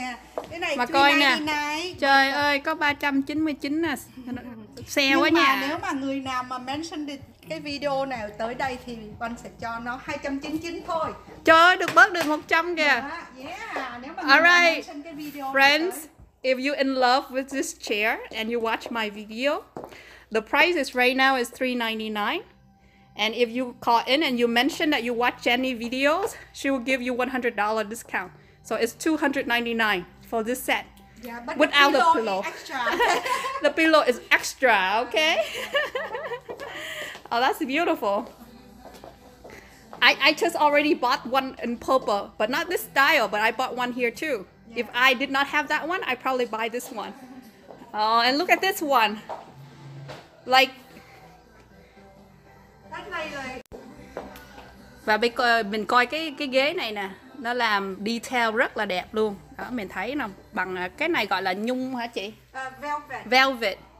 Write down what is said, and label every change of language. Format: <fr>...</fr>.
<vi>Yeah. Cái này mà coi nè. Trời ơi, có 399 nè. Xe quá nha. Nhưng mà nếu mà người nào mà mention cái video nào tới đây thì anh sẽ cho nó 299 thôi. Trời ơi, được bớt được 100 kìa. Yeah. Nếu mà người nào mention cái video.</vi> <en>Friends, if you're in love with this chair and you watch my video, the price is right now is $399. And if you call in and you mention that you watch Jenny videos, she will give you $100 discount. So it's $299 for this set. Yeah, but without the pillow. The pillow is extra, okay? Oh, that's beautiful. I just already bought one in purple, but not this style, but I bought one here too. Yeah. If I did not have that one, I'd probably buy this one. Oh, and look at this one.</en> <vi>Like và mình coi cái ghế này nè, nó làm detail rất là đẹp luôn. Đó, mình thấy nè, bằng cái này gọi là nhung hả chị?</vi> <en>Velvet. Yeah, velvet.</en>